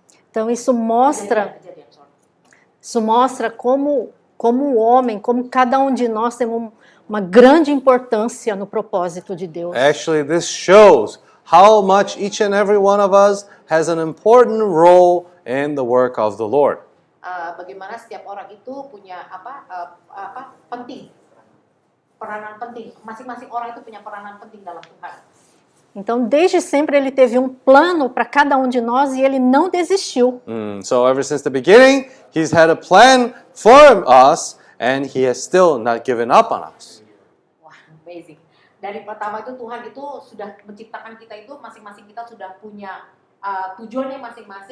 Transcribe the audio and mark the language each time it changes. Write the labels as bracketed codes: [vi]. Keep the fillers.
[pt] então isso mostra isso mostra como como o homem, como cada um de nós tem uma grande importância no propósito de Deus. [en] Actually, this shows how much each and every one of us has an important role in the work of the Lord. [id] Uh, bagaimana setiap orang itu punya apa uh, apa penting peranan penting masing-masing orang itu punya peranan penting dalam Tuhan. [pt] Então, desde sempre ele teve um plano para cada um de nós e ele não desistiu. [en] Mm, so ever since the beginning, he's had a plan for us and he has still not given up on us. Wow, amazing. [id] Dari pertama itu Tuhan itu sudah menciptakan kita itu masing-masing kita sudah punya uh, tujuannya masing